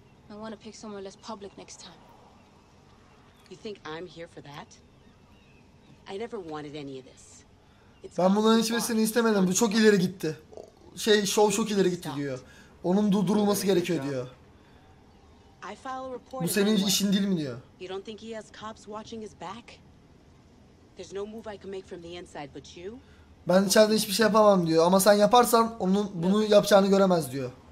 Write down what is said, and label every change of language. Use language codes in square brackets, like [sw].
[en] I want to pick somewhere less public next time. You think I'm here for that? I never wanted any of this. [tr] Ben bunların hiçbirisini istemedim. Bu çok ileri gitti. Şey, şov çok ileri gitti diyor. Onun durdurulması gerekiyor diyor. Bu senin işin değil mi diyor. [en] You don't think he has cops watching his back? There's no move I can make from the inside but you. [tr] Ben içeride hiçbir şey yapamam diyor. Ama sen yaparsan onun bunu yapacağını göremez diyor.